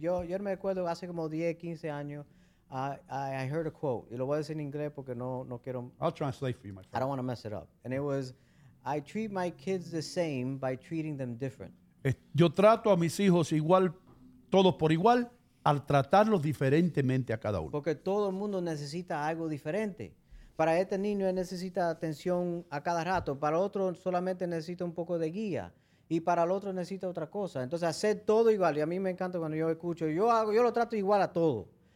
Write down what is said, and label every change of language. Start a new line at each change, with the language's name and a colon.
Spanish: Yo me acuerdo hace como 10, 15 años, I heard a quote. Y lo voy a decir en inglés porque no quiero...
English: I'll translate for you, my friend. I don't want to mess it up. And it was, I treat my kids the same by treating them different.
Spanish: Yo trato a mis hijos igual, todos por igual, al tratarlos diferentemente a cada uno. Porque todo el mundo necesita algo diferente. Para este niño necesita atención a cada rato. Para otro solamente necesita un poco de guía. Y para el otro necesita otra cosa. Entonces, hacer todo igual. Y a mí me encanta cuando yo escucho, yo lo trato igual a todo.